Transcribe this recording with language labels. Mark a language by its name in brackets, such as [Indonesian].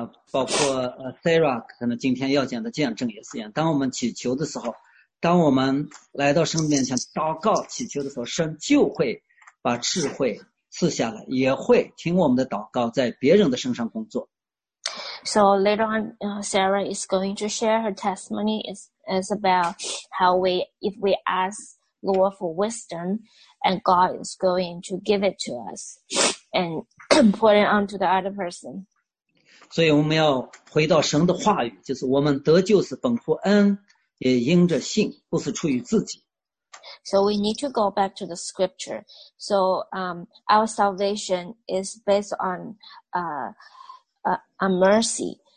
[Chinese] 包括Sarah 可能今天要讲的见证也是一样。当我们祈求的时候，当我们来到神面前祷告祈求的时候，神就会把智慧赐下来，也会听我们的祷告，在别人的身上工作。 [English] So later on, Sarah is going to share her testimony. It's about how if we ask Lord for wisdom, and God is going to give it to us and put it onto the other person. [Chinese] 所以我们要回到神的话语，就是我们得救是本乎恩，也因着信，不是出于自己。 [English] So we need to go back to the scripture. So our salvation is based on mercy.